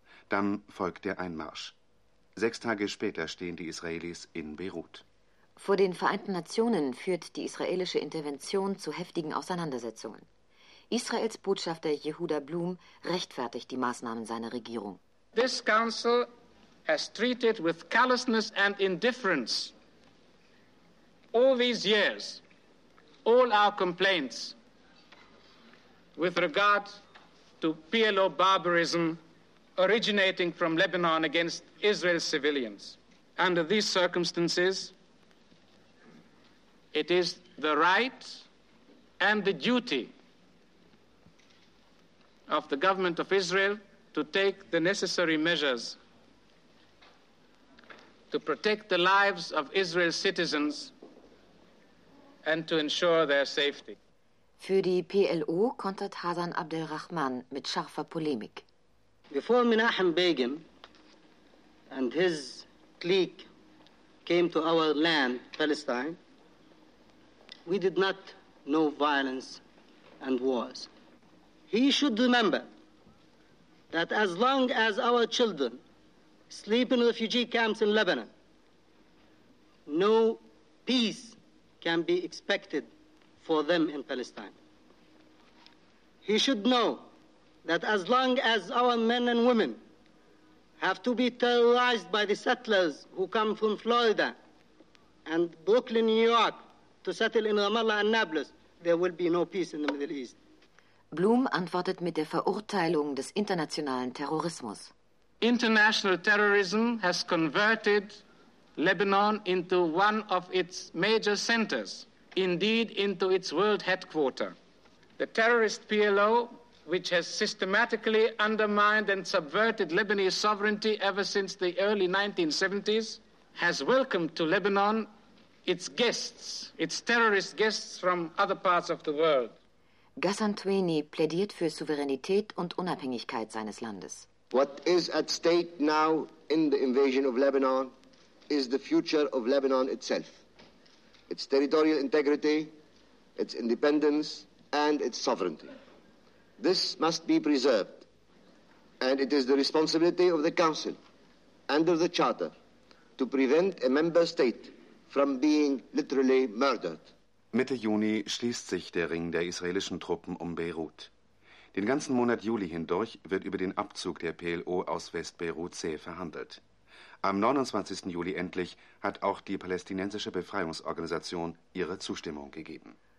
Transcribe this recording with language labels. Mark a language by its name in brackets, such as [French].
[German] Dann folgt der Einmarsch. 6 Tage später stehen die Israelis in Beirut. Vor den Vereinten Nationen führt die israelische Intervention zu heftigen Auseinandersetzungen. Israels Botschafter Yehuda Blum rechtfertigt die Maßnahmen seiner Regierung. [English] This council has treated with callousness and indifference all these years all our complaints with regard to PLO barbarism originating from Lebanon against Israel's civilians. Under these circumstances, it is the right and the duty of the government of Israel to take the necessary measures to protect the lives of Israel's citizens and to ensure their safety. [German] Für die PLO kontert Hasan Abdelrahman mit scharfer Polemik. [English] Before Menachem Begin and his clique came to our land, Palestine, we did not know violence and wars. He should remember that as long as our children sleep in refugee camps in Lebanon, no peace can be expected for them in Palestine. He should know that as long as our men and women have to be terrorized by the settlers who come from Florida and Brooklyn, New York, to settle in Ramallah and Nablus, there will be no peace in the Middle East. [German] Blum antwortet mit der Verurteilung des internationalen Terrorismus. [English] International terrorism has converted Lebanon into one of its major centers, indeed into its world headquarter. The terrorist PLO, which has systematically undermined and subverted Lebanese sovereignty ever since the early 1970s, has welcomed to Lebanon its guests, its terrorist guests from other parts of the world. [German] Ghassan Tweni plädiert für Souveränität und Unabhängigkeit seines Landes. [English] What is at stake now in the invasion of Lebanon is the future of Lebanon itself, its territorial integrity, its independence, and its sovereignty. This must be preserved, and it is the responsibility of the Council, under the Charter, to prevent a member state from being literally murdered. [German] Mitte Juni schließt sich der Ring der israelischen Truppen um Beirut. Den ganzen Monat Juli hindurch wird über den Abzug der PLO aus West-Beirut zäh verhandelt. Am 29. Juli endlich hat auch die palästinensische Befreiungsorganisation ihre Zustimmung gegeben.